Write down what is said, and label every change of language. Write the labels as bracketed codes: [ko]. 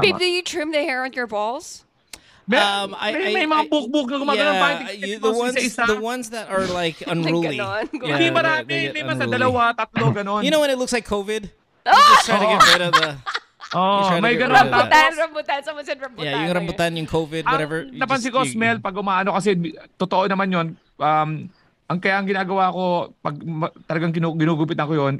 [en] Babe, do you trim the hair on your balls? [tl] May mga buhok-buhok na gumagano. [en] The ones that are like unruly. [tl] Hindi marami. May mas sa dalawa, tatlo, ganon. [en] You know when it looks like COVID? You're just trying to get rid of the... [tl] Oh, may ganun. [en] Rambutan. Someone said rambutan. [tl] Yeah, yung rambutan, yung COVID, whatever. Napansin ko, smell, pag umaano, kasi totoo naman yun, ang kaya ang ginagawa ko pag talagang ginugupit ako yon.